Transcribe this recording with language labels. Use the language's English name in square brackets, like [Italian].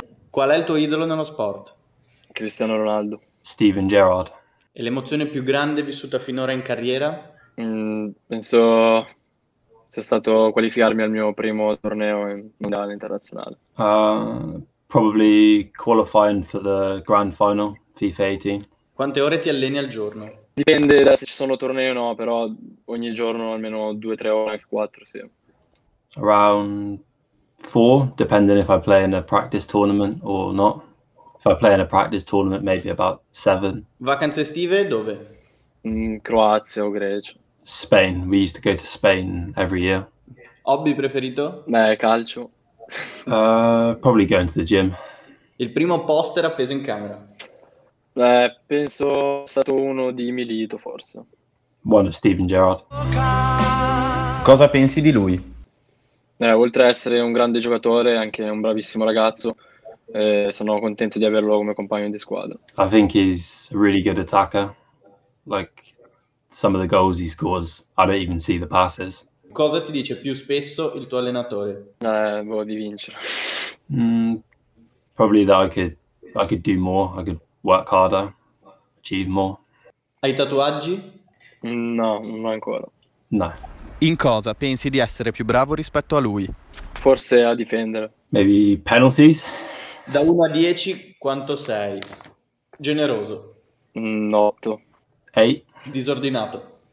[Italian] Qual è il tuo idolo nello sport? Cristiano Ronaldo. Steven Gerrard. E l'emozione più grande vissuta finora in carriera? Penso sia stato qualificarmi al mio primo torneo mondiale internazionale. [English] Probably qualifying for the grand final, FIFA 18. [Italian] Quante ore ti alleni al giorno? Dipende da se ci sono tornei o no, però ogni giorno almeno 2 o 3 ore, 4, sì. [English] Around 4, depending if I play in a practice tournament or not. If I play in a practice tournament, maybe about 7. [Italian] Vacanze estive dove? In Croazia o Grecia. [English] Spain, we used to go to Spain every year. [Italian] Hobby preferito? Beh, calcio. [English] Probably going to the gym. [Italian] Il primo poster appeso in camera. Penso sia stato uno di Milito, forse. [English] One of Steven Gerrard. [Italian] Cosa pensi di lui? Oltre a essere un grande giocatore, anche un bravissimo ragazzo, sono contento di averlo come compagno di squadra. [English] I think he's a really good attacker. Like some of the goals he scores, I don't even see the passes. [Italian] Cosa ti dice più spesso il tuo allenatore? Voglio di vincere. [English] Probably that I could do more, I could work harder, achieve more. [Italian] Hai tatuaggi? No, non ancora. No. In cosa pensi di essere più bravo rispetto a lui? Forse a difendere. [English] Maybe penalties? [Italian] Da 1 a 10, quanto sei? Generoso. 8. [English] Eight. [Italian] Disordinato.